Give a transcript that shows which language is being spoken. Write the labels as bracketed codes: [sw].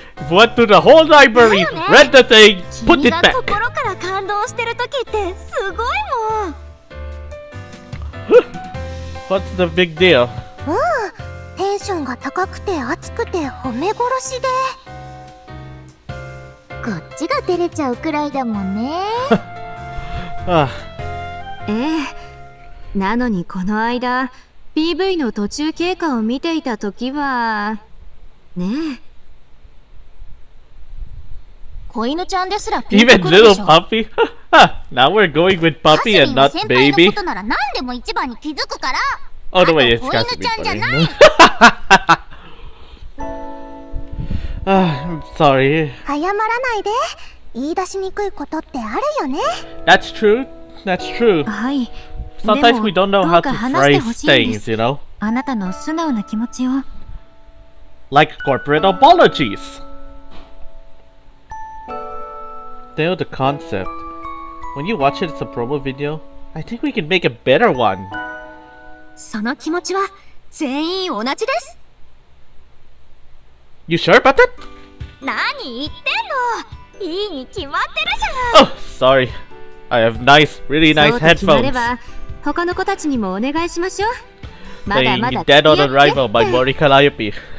[en] Went to the whole library, read the thing, put it back. [ja] 君が心から感動してる時ってすごいもん。 [en] What's the big deal? [ja] テンションが高くて熱くて褒め殺しで。こっちが照れちゃうくらいだもんね。ええ。なのにこの間、PV の途中経過を見ていた時は、ねえ。子犬ちゃんですらピンクくるでしょ。 [en] Even little puppy? Now we're going with puppy and not baby. [ja] カスミの先輩のことなら何でも一番に気づくから。あと子犬ちゃんじゃない。 [en] I'm sorry. [ja] 謝らないで。言い出しにくいことってあるよね。 [en] That's true. That's true. [ja] はい。 [en] Sometimes we don't know how to phrase things, you know? [ja] あなたの素直な気持ちを。 [en] Like corporate apologies. They know the concept. When you watch it as a promo video, I think we can make a better one. [ja] その気持ちは全員同じです。 [en] You sure about that? [ja] 何言ってんの? いいに決まってるじゃん。 [en] Oh, sorry. I have nice, really nice headphones. [ja] そうと決まれば、他の子たちにもお願いしましょう。まだまだ [en] Dead on Arrival by Mori Calliope.